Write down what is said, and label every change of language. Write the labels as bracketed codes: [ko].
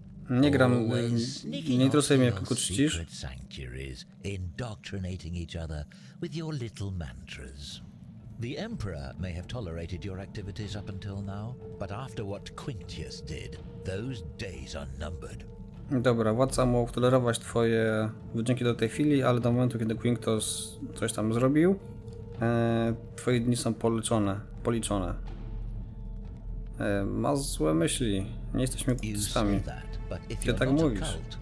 [pl] Nie gram, nie interesuje mnie, jak uczcisz. [en] Indoctrinating each other with your little mantras. The emperor may have tolerated your activities up until now, but after what Quintius did, those days are numbered. [pl] Dobra, władca mógł tolerować twoje wdzięki do tej chwili, ale do momentu, kiedy Quinctus coś tam zrobił, twoje dni są policzone. Ma złe myśli. Nie jesteśmy kultystami. Ty tak mówisz.